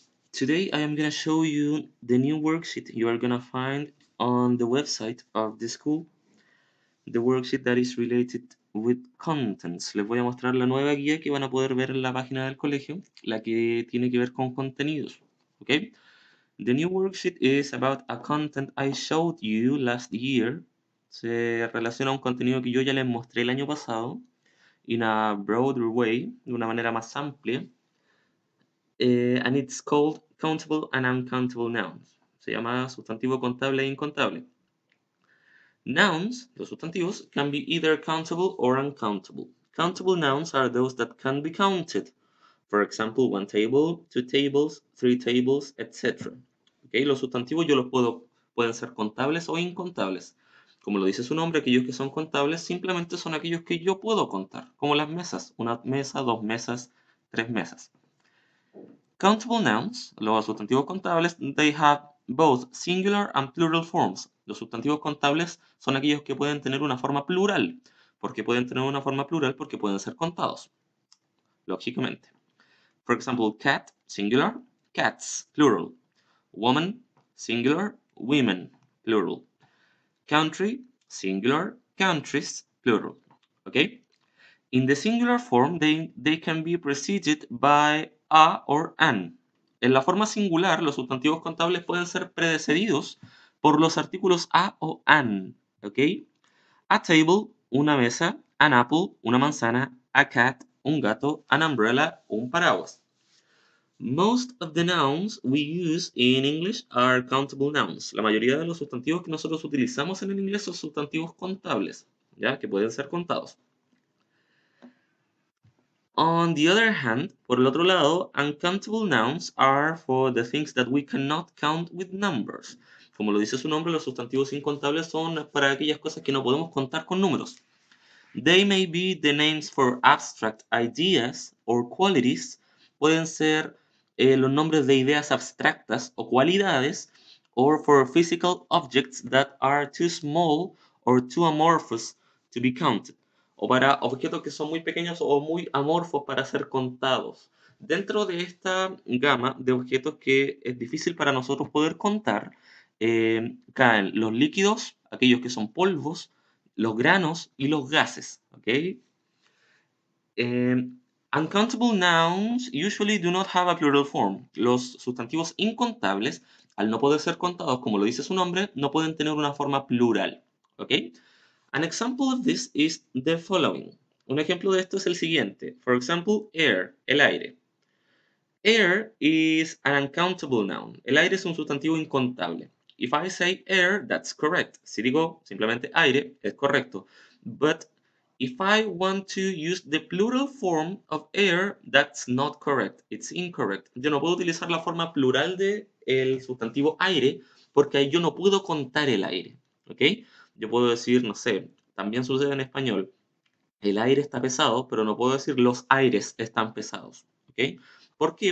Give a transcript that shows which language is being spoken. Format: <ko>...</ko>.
<en>Today I am going to show you the new worksheet you are going to find on the website of the school. The worksheet that is related with contents.</en> <es>Les voy a mostrar la nueva guía que van a poder ver en la página del colegio, la que tiene que ver con contenidos.</es> <en>Okay? The new worksheet is about a content I showed you last year.</en> <es>Se relaciona a un contenido que yo ya les mostré el año pasado.</es> <en>In a broader way,</en> <es>de una manera más amplia,</es> <en>and it's called Countable and Uncountable Nouns.</en> <es>Se llama sustantivo contable e incontable. Nouns, los sustantivos,</es> <en>can be either countable or uncountable. Countable nouns are those that can be counted. For example, one table, two tables, three tables, etc.</en> <es>Okay, los sustantivos yo los puedo, pueden ser contables o incontables. Como lo dice su nombre, aquellos que son contables simplemente son aquellos que yo puedo contar, como las mesas, una mesa, dos mesas, tres mesas.</es> <en>Countable nouns,</en> <es>los sustantivos contables,</es> <en>they have both singular and plural forms.</en> <es>Los sustantivos contables son aquellos que pueden tener una forma plural, porque pueden tener una forma plural porque pueden ser contados, lógicamente.</es> <en>For example, cat, singular, cats, plural. Woman, singular, women, plural. Country, singular, countries, plural. Okay? In the singular form, they can be preceded by a or an.</en> <es>En la forma singular, los sustantivos contables pueden ser precedidos por los artículos a o an.</es> <en>Okay? A table,</en> <es>una mesa,</es> <en>an apple,</en> <es>una manzana,</es> <en>a cat,</en> <es>un gato,</es> <en>an umbrella,</en> <es>un paraguas.</es> <en>Most of the nouns we use in English are countable nouns.</en> <es>La mayoría de los sustantivos que nosotros utilizamos en el inglés son sustantivos contables, ya que pueden ser contados.</es> <en>On the other hand,</en> <es>por el otro lado,</es> <en>uncountable nouns are for the things that we cannot count with numbers.</en> <es>Como lo dice su nombre, los sustantivos incontables son para aquellas cosas que no podemos contar con números.</es> <en>They may be the names for abstract ideas or qualities.</en> <es>Pueden ser los nombres de ideas abstractas o cualidades,</es> <en>or for physical objects that are too small or too amorphous to be counted,</en> <es>o para objetos que son muy pequeños o muy amorfos para ser contados. Dentro de esta gama de objetos que es difícil para nosotros poder contar, caen los líquidos, aquellos que son polvos, los granos y los gases. ¿Okay?</es> <en>Uncountable nouns usually do not have a plural form.</en> <es>Los sustantivos incontables, al no poder ser contados, como lo dice su nombre, no pueden tener una forma plural.</es> <en>Okay? An example of this is the following.</en> <es>Un ejemplo de esto es el siguiente.</es> <en>For example, air,</en> <es>el aire.</es> <en>Air is an uncountable noun.</en> <es>El aire es un sustantivo incontable.</es> <en>If I say air, that's correct.</en> <es>Si digo simplemente aire, es correcto.</es> <en>But if I want to use the plural form of air, that's not correct. It's incorrect.</en> <es>Yo no puedo utilizar la forma plural del sustantivo aire porque yo no puedo contar el aire. ¿Okay? Yo puedo decir, no sé, también sucede en español, el aire está pesado, pero no puedo decir los aires están pesados. ¿Okay? ¿Por qué?</es>